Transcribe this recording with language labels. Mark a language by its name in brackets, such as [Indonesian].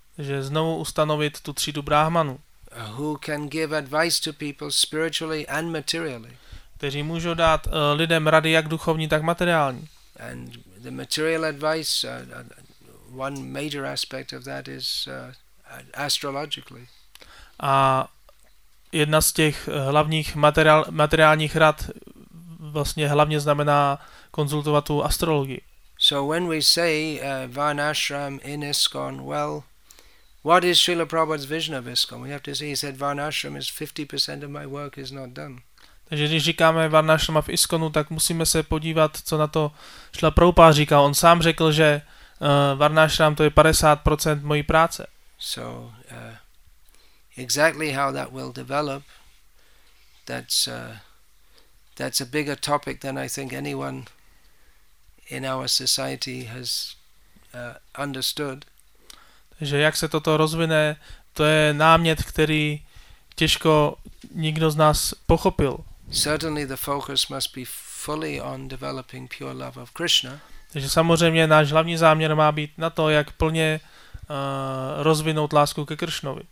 [Czech] Že znovu ustanovit tu třídu brahmanů. [English] Who can give advice to people spiritually and materially? [Czech] Kteří můžou dát lidem rady jak duchovní, tak materiální. [English] And the material advice, one major aspect of that is astrologically. [Czech] A jedna z těch hlavních materiálních rad vlastně hlavně znamená konzultovat tu astrologii. [English] So when we say Varnashram in ISKCON, well, what is Srila Prabhupada's vision of ISKCON? We have to say he said Varnashram is 50% of my work is not done. [Czech] Takže když říkáme Varnashrama v ISKCONu, tak musíme se podívat, co na to Srila Prabhupada říká. On sám řekl, že Varnashram to je 50% mojí práce. [English] So exactly how that will develop, that's a bigger topic than I think anyone in our society has understood. [Czech] že jak se toto rozvine, to je námět, který těžko nikdo z nás pochopil. [English] Certainly the focus must be fully on developing pure love of Krishna. [Czech] Takže samozřejmě náš hlavní záměr má být na to, jak plně rozvinout lásku ke Kršnovi.